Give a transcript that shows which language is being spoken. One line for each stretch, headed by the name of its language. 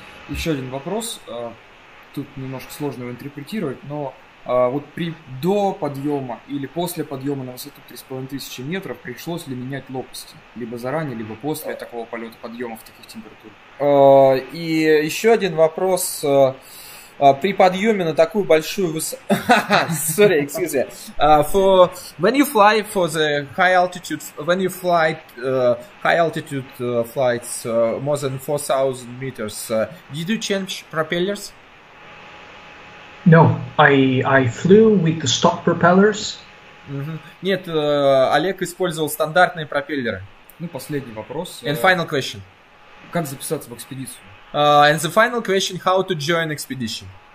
Russian: Еще один вопрос, тут немножко сложно его интерпретировать, но вот при до подъема или после подъема на высоту 3500 метров пришлось ли менять лопасти, либо заранее, либо после такого полета подъема в таких температурах? И еще один вопрос, при подъеме на такую большую высоту...
English: Sorry, excuse me. When you fly for the high altitude, when you fly high altitude flights more than 4,000 meters, did you change propellers? No, I flew with the stock propellers. Mm-hmm.
Russian: Нет, Олег использовал стандартные пропеллеры. Ну, последний вопрос.
English: And final question.
Russian: Как записаться в экспедицию?
English: And the final question, how to join expedition?